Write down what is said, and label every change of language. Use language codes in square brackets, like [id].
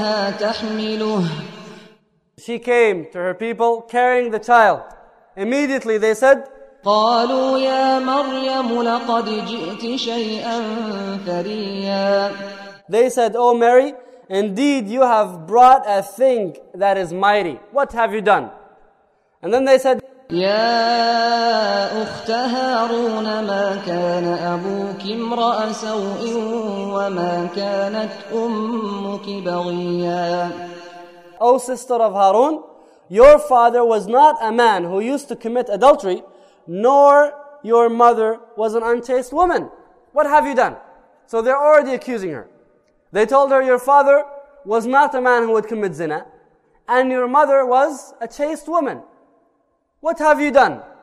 [en] She came to her people carrying the child. Immediately they said, [ar] قالوا يا مريم لقد جئت شيئا فريا. [en] They said, O Mary, indeed you have brought a thing that is mighty. What have you done? And then they said, [ar] يا أخت هارون ما كان أبوك امرأ سوء وما كانت أمك بغيا. [en] O sister of Harun, your father was not a man who used to commit adultery, nor your mother was an unchaste woman. What have you done? So they're already accusing her. They told her, your father was not a man who would commit zina, and your mother was a chaste woman. What have you done?